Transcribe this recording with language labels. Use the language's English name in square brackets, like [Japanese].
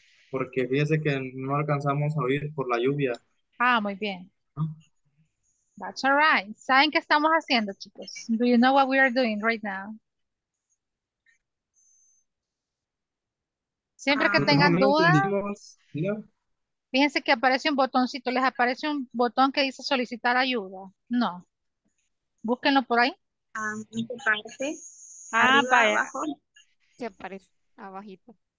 [Spanish] Porque fíjese que no alcanzamos a oír por la lluvia. Ah, muy bien. [English] That's all right. [Spanish] ¿Saben qué estamos haciendo, chicos? [English] Do you know what we are doing right now? [Spanish] Siempre que tengan dudas, fíjense que aparece un botoncito. ¿Les aparece un botón que dice solicitar ayuda? No. Búsquenlo por ahí. Ah, arriba, vaya. ¿Qué aparece? Abajito.